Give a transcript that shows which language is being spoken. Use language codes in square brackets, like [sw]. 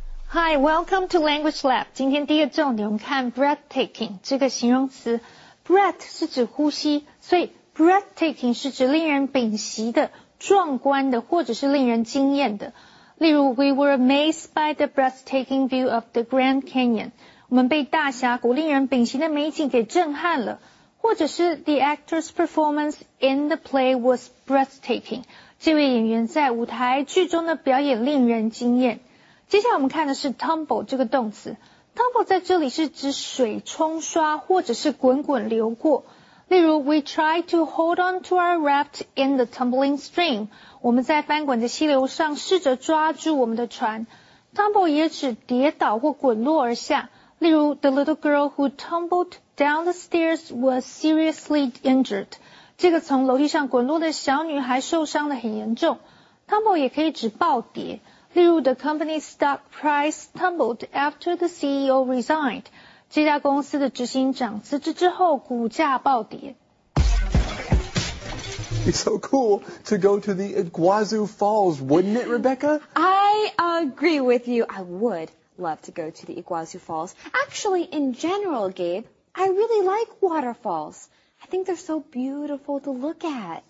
[en] Hi, welcome to Language Lab. [zh] 今天第一个重点我们看 breathtaking 这个形容词。 Breath 是指呼吸，所以 breathtaking 是指令人屏息的、壮观的或者是令人惊艳的。例如 [en] ,we were amazed by the breathtaking view of the Grand Canyon. [zh] 我们被大峡谷令人屏息的美景给震撼了。或者是 [en] the actor's performance in the play was breathtaking. [zh] 这位演员在舞台剧中的表演令人惊艳。接下来我们看的是 tumble 这个动词。tumble 在这里是指水冲刷或者是滚滚流过。例如 [en] ,we try to hold on to our raft in the tumbling stream. [zh] 我们在翻滚的溪流上试着抓住我们的船。 tumble 也指跌倒或滚落而下。例如 [en] ,the little girl who tumbled down the stairs was seriously injured. [zh] 这个从楼梯上滚落的小女孩受伤得很严重。 tumble 也可以指暴跌。例如 [en] ,the company's stock price tumbled after the CEO resigned. [zh] 这家公司的执行长辞职之后股价暴跌。 [en] It's so cool to go to the Iguazu Falls, wouldn't it, Rebecca? I agree with you. I would love to go to the Iguazu Falls. Actually, in general, Gabe, I really like waterfalls. I think they're so beautiful to look at.